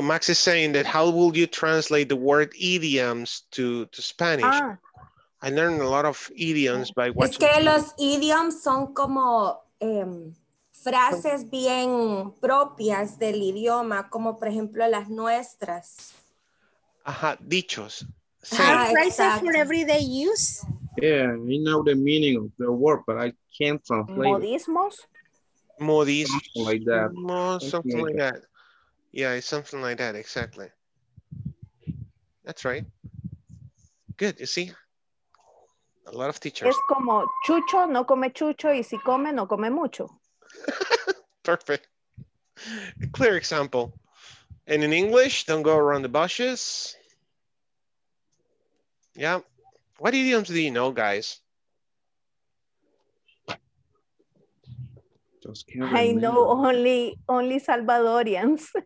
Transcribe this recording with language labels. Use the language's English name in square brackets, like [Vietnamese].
[English] Max is saying that how will you translate the word idioms to Spanish? I learned a lot of idioms by watching. [Spanish] Es que los idioms son como frases bien propias del idioma, como por ejemplo las nuestras. Dichos. [English] Phrases for everyday use. Yeah, I know the meaning of the word, but I can't translate. [Spanish] Modismos. [English] Like that. Something like that. Yeah, it's something like that, exactly. That's right. Good, you see? A lot of teachers. [Spanish] Es como chucho, no come chucho, y si come, no come mucho. [English] Perfect. A clear example. And in English, don't go around the bushes. Yeah. What idioms do you know, guys? I know only Salvadorians.